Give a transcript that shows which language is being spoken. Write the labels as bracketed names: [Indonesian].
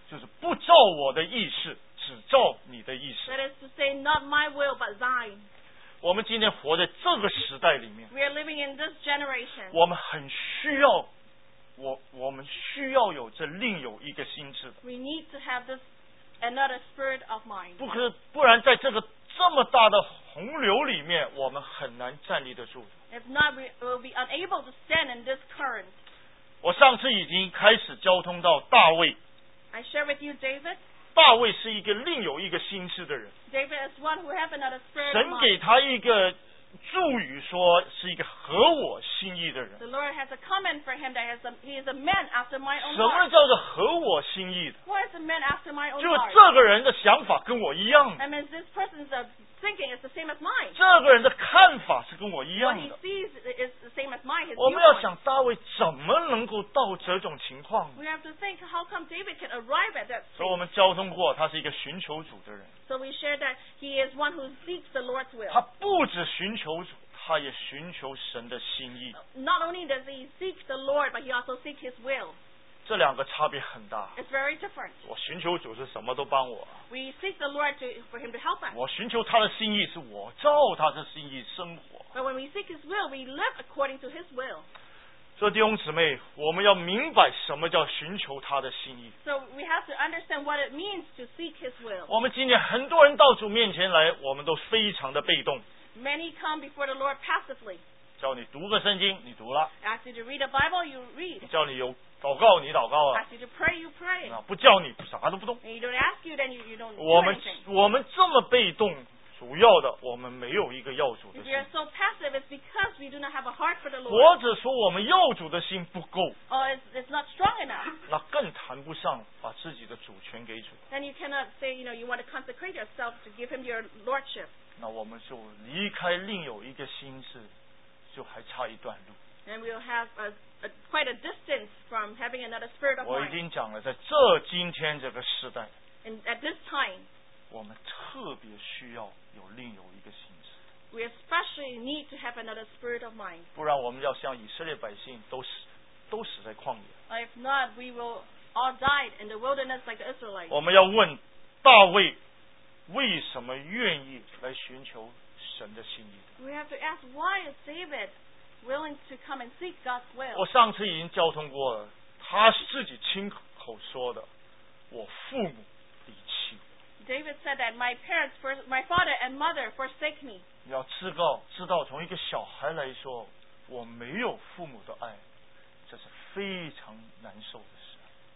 [Chinese] 就是不照我的意思，只照你的意思。 [English] That is to say, not my will, but thine. [Chinese] 我们今天活在这个时代里面 [English] We are living in this generation. [Chinese] 我们很需要 我们需要有这另有一个心智 [English] We need to have this another spirit of mind. [Chinese] 不然在这个这么大的洪流里面我们很难站立得住 [English] If not, we will be unable to stand in this current. [Chinese] 我上次已经开始交通到大卫 [English] I share with you David. [Chinese] 大卫是一个另有一个心智的人。 [English] David is one who have another spirit. [Chinese] 神给他一个祝语，说是一个合我心意的人。 [English] The Lord has a comment for him that he is a man after my own heart. [Chinese] 什么叫做合我心意的 [English] ？What is a man after my own heart? [Chinese] 就这个人的想法跟我一样。 [English] I mean, this person's thinking is the same as mine. [Chinese] 这个人的看法是跟我一样的。 [English] What he sees is the same as mine. [Chinese] 我们要想大卫怎么能够到这种情况 [English] ？We have to think how come David can arrive at that. [Chinese] 所以我们交通过，他是一个寻求主的人。 [English] So we share that he is one who seeks the Lord's will. [Chinese] 他不止寻求主。他也寻求神的心意。 [English] Not only does he seek the Lord, but he also seeks His will. [Chinese] 这两个差别很大。 [English] It's very different. [Chinese] 我寻求主是什么都帮我。 [English] We seek the Lord for Him to help us. [Chinese] 我寻求他的心意是我照他的心意生活。 [English] But when we seek His will, we live according to His will. [Chinese] 所以弟兄姊妹，我们要明白什么叫寻求他的心意。 [English] So we have to understand what it means to seek His will. [Chinese] 我们今天很多人到主面前来，我们都非常的被动。 [English] Many come before the Lord passively. [Chinese] 叫你读个圣经，你读了。 [English] Ask you to read the Bible, you read. [Chinese] 叫你有祷告，你祷告了。 [English] Ask you to pray, you pray. [Chinese] 不叫你，啥都不动。 [English] And you don't ask you, then you don't do anything. [Chinese] 我们这么被动，主要的我们没有一个要主的心。 [English] If you are so passive, it's because we do not have a heart for the Lord. [Chinese] 或者说我们要主的心不够。 [English] Or it's not strong enough. [Chinese] 那更谈不上把自己的主权给主。 [English] Then you cannot say, you know, you want to consecrate yourself to give him your lordship. [Chinese] 那我们就离开另有一个心智，就还差一段路。 [English] And we'll have quite a distance from having another spirit of mind. [Chinese] 我已经讲了，在这今天这个时代 [English] ，And at this time, [Chinese] 我们特别需要有另有一个心智。 [English] We especially need to have another spirit of mind. [Chinese] 不然我们要像以色列百姓都死在旷野。 [English] If not, we will all die in the wilderness like the Israelites. [Chinese] 我们要问大卫。为什么愿意来寻求神的心意 [English] ？We have to ask why is David willing to come and seek God's will. [Chinese] 我上次已经交通过了，他自己亲口说的，我父母离弃。 [English] David said that my father and mother forsake me. [Chinese] 你要知道，从一个小孩来说，我没有父母的爱，这是非常难受的事。